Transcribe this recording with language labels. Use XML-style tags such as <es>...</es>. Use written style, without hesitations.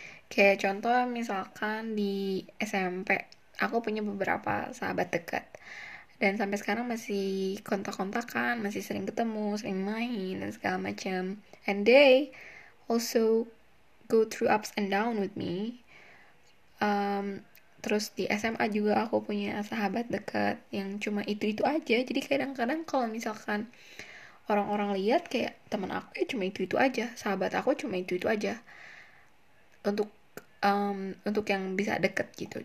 <id>Kayak contoh misalkan di SMP, aku punya beberapa sahabat dekat dan sampai sekarang masih kontak-kontakan, masih sering ketemu, sering main dan segala macam.</id> <en>And they also go through ups and down with me.</en> <id>Terus di SMA juga aku punya sahabat dekat yang cuma itu-itu aja. Jadi kadang-kadang kalau misalkan orang-orang lihat kayak teman aku ya cuma itu-itu aja, sahabat aku cuma itu-itu aja. Untuk yang bisa deket gitu.</id>